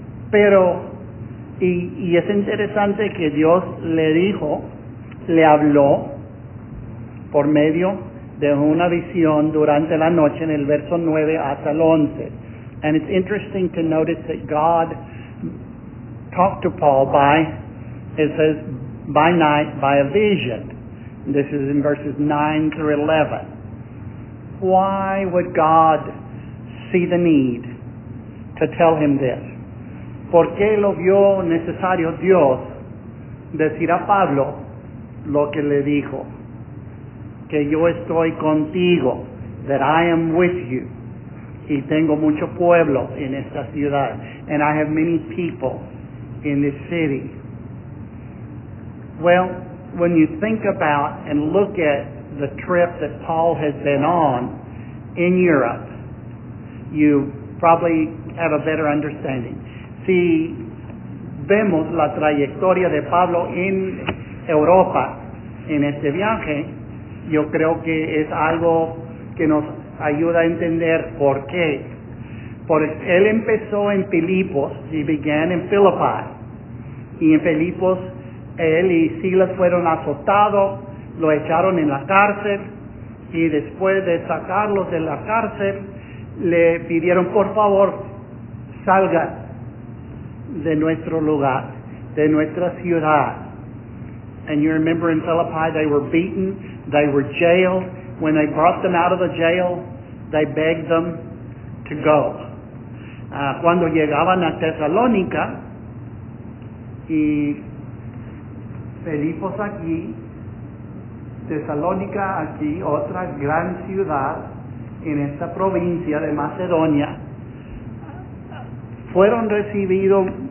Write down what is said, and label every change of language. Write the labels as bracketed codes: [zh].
[es] Pero y es interesante que Dios le dijo, le habló por medio de una visión durante la noche en el verso 9 hasta el 11. [en] And it's interesting to notice that God talked to Paul by night, by a vision. This is in verses 9 through 11. Why would God see the need to tell him this? [es] ¿Por qué lo vio necesario Dios decir a Pablo lo que le dijo? Que yo estoy contigo, [en] that I am with you. [es] Y tengo mucho pueblo en esta ciudad. [en] And I have many people in this city. Well, when you think about and look at the trip that Paul has been on in Europe, you probably have a better understanding. [es] Si vemos la trayectoria de Pablo en Europa en este viaje, yo creo que es algo que nos ayuda a entender por qué. Porque él empezó en Filipos, [en] he began in Philippi. [es] Y en Filipos, él y Silas fueron azotados, lo echaron en la cárcel, y después de sacarlos de la cárcel, le pidieron, por favor, salga de nuestro lugar, de nuestra ciudad. [en] And you remember in Philippi, they were beaten, they were jailed. When they brought them out of the jail, they begged them to go. [es] Cuando llegaban a Tesalónica, y Filipos aquí, Tesalónica aquí, otra gran ciudad en esta provincia de Macedonia, fueron recibidos.